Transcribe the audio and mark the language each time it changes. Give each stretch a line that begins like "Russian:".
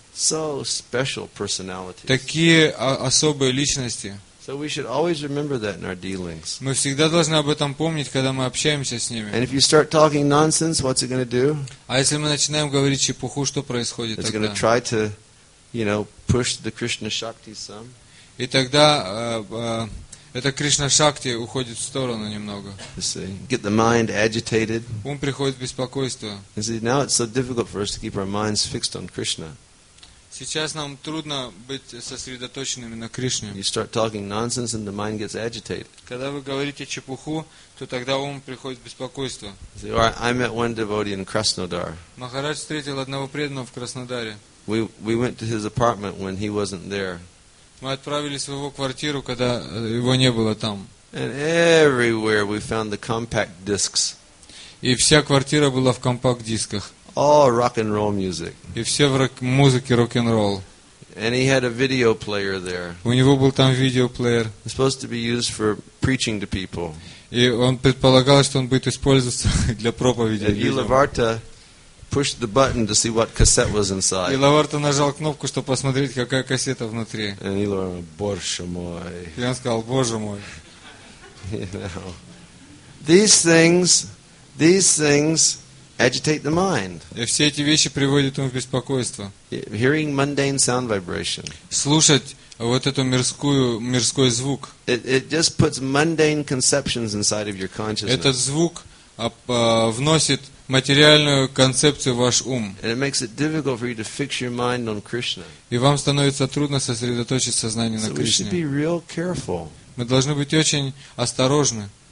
English: So special personalities.
Russian: Такие особые личности.
English: So we should always remember that in our dealings.
Russian: Мы всегда должны об этом помнить, когда мы общаемся с ними.
English: And if you start talking nonsense, what's it going to do?
Russian: А если мы начинаем говорить чепуху, что происходит тогда?
English: It's going to try to, you know, push the Krishna Shakti some.
Russian: И тогда эта Кришна Шакти уходит в сторону немного.
English: Get the mind agitated.
Russian: Ум приходит в беспокойство.
English: You see, now it's so difficult for us to keep our minds fixed on Krishna.
Russian: Сейчас нам трудно быть сосредоточенными на Кришне.
English: You start talking nonsense and the mind gets agitated.
Russian: Когда вы говорите чепуху, то тогда ум приходит в беспокойство.
English: See, or I met one devotee in Krasnodar.
Russian: Махарадж встретил одного преданного в Краснодаре.
English: We went to his apartment when he wasn't there.
Russian: Мы отправились в его квартиру, когда его не было там.
English: And everywhere we found the compact discs.
Russian: И вся квартира была в компакт-дисках.
English: All rock and roll music.
Russian: И все в музыке рок-н-ролл.
English: And he had a video player there.
Russian: У него был там видеоплеер.
English: It's supposed to be used for preaching to people.
Russian: И он предполагал, что он будет использоваться для проповеди.
English: And Ilavarta pushed the button to see what cassette was inside.
Russian: И Ilavarta нажал кнопку, чтобы посмотреть, какая кассета внутри.
English: And Ilavarta,
Russian: Боже мой. И он сказал, Боже мой.
English: You know. These things agitate the mind.
Russian: И все эти вещи приводят ум в беспокойство.
English: Hearing mundane sound vibration.
Russian: Слушать вот эту мирской звук.
English: It just puts mundane conceptions inside of your consciousness.
Russian: Этот звук вносит материальную концепцию в ваш ум.
English: And it makes it difficult for you to fix your mind on Krishna.
Russian: И вам становится трудно сосредоточить сознание на Кришне.
English: So we should be real careful.
Russian: Мы должны быть очень осторожны.